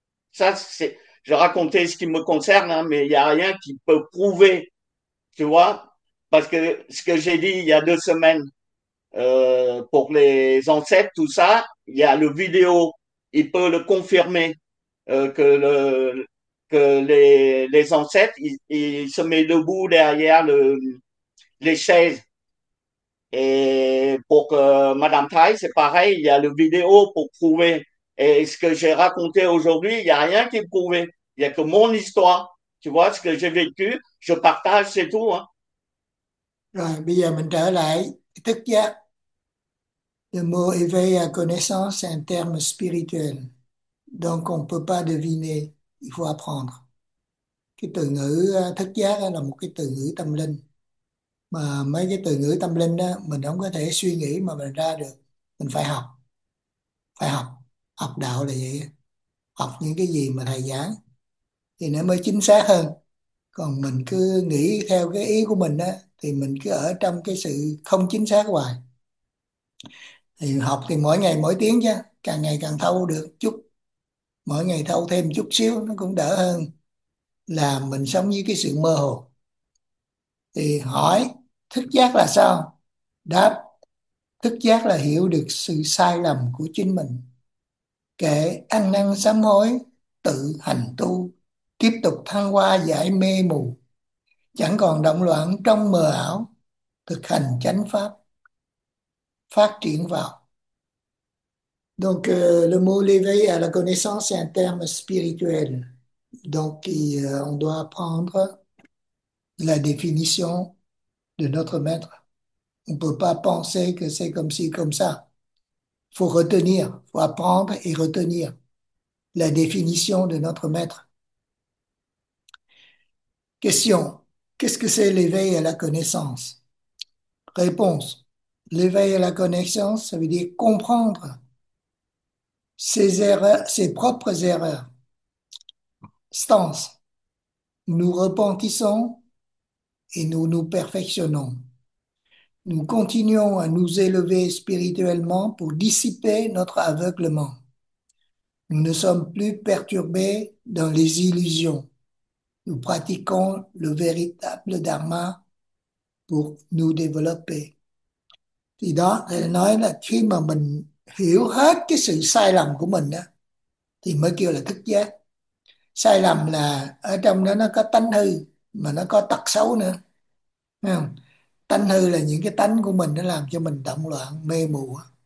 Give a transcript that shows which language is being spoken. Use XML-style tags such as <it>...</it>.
<fr>Ça, c'est, je racontais ce qui me concerne, hein, mais il y a rien qui peut prouver, tu vois, parce que ce que j'ai dit il y a 2 semaines, pour les ancêtres, tout ça, il y a le vidéo, il peut le confirmer, que les ancêtres, ils se mettent debout derrière les chaises. Et pour Madame Thaï, c'est pareil, il y a le vidéo pour prouver. Et ce que j'ai raconté aujourd'hui, il n'y a rien qui prouve. Il n'y a que mon histoire. Tu vois, ce que j'ai vécu, je partage, c'est tout, hein.</fr> <vi>Rồi bây giờ mình trở lại thức giác.</vi> <fr>Le mot éveil à connaissance, c'est un terme spirituel. Donc on ne peut pas deviner, il faut apprendre.</fr> <vi>Cái từ ngữ thức giác là một cái từ ngữ tâm linh. Mà mấy cái từ ngữ tâm linh đó, mình không có thể suy nghĩ mà mình ra được. Mình phải học. Phải học. Học đạo là vậy. Học những cái gì mà thầy giảng thì nó mới chính xác hơn. Còn mình cứ nghĩ theo cái ý của mình đó, thì mình cứ ở trong cái sự không chính xác hoài. Thì học thì mỗi ngày mỗi tiếng chứ, càng ngày càng thâu được chút, mỗi ngày thâu thêm chút xíu nó cũng đỡ hơn là mình sống với cái sự mơ hồ. Thì hỏi thức giác là sao, đáp thức giác là hiểu được sự sai lầm của chính mình, kể ăn năn sám hối, tự hành tu, tiếp tục thăng hoa giải mê mù, chẳng còn động loạn trong mờ ảo, thực hành chánh pháp, phát triển vào.</vi> <fr>Donc, le mot l'éveil à la connaissance, c'est un terme spirituel. Donc, on doit apprendre la définition de notre maître. On ne peut pas penser que c'est comme ci, comme ça. Faut retenir, faut apprendre et retenir la définition de notre maître. Question. Qu'est-ce que c'est l'éveil à la connaissance? Réponse. L'éveil à la connaissance, ça veut dire comprendre ses erreurs, ses propres erreurs. Stance. Nous repentissons et nous nous perfectionnons. Nous continuons à nous élever spirituellement pour dissiper notre aveuglement. Nous ne sommes plus perturbés dans les illusions. Nous pratiquons le véritable dharma pour nous développer.</fr> <vi>Thì đó,</vi> <fr>elle</fr> <vi>nói là khi mà mình hiểu hết cái sự sai lầm của mình đó, thì mới kêu là thức giác. Sai lầm là ở trong đó nó có tánh hư, mà nó có tật xấu nữa. Thấy không? Tánh hư là những cái tánh của mình nó làm cho mình động loạn, mê mù.</vi>